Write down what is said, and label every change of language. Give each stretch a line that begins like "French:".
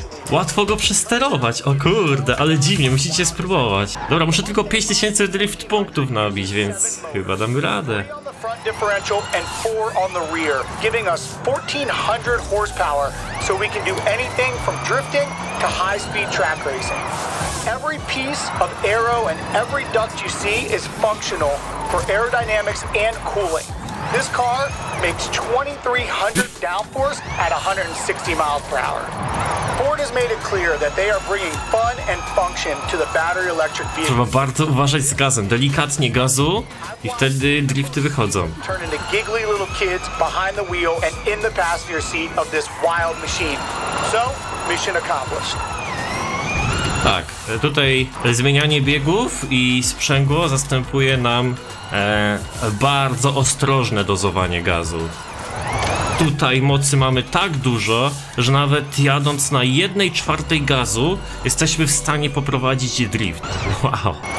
Polish: Łatwo go przesterować, o kurde, ale dziwnie, musicie spróbować. Dobra, muszę tylko 5000 drift punktów nabić, więc chyba damy radę.
English: Front differential and four on the rear, giving us 1400 horsepower, so we can do anything from drifting to high speed track racing. Every piece of aero and every duct you see is functional for aerodynamics and cooling. This car makes 2300 downforce at 160 miles per hour. Ford has made it clear that they are bringing fun and function to the battery electric vehicle.
Polish: Trzeba bardzo uważać z gazem, delikatnie gazu i wtedy drifty wychodzą.
English: Turn into giggly little kids behind the wheel and in the passenger seat of this wild machine. So, mission accomplished.
Polish: Tak, tutaj zmienianie biegów i sprzęgło zastępuje nam bardzo ostrożne dozowanie gazu. Tutaj mocy mamy tak dużo, że nawet jadąc na 1/4 gazu jesteśmy w stanie poprowadzić drift. Wow.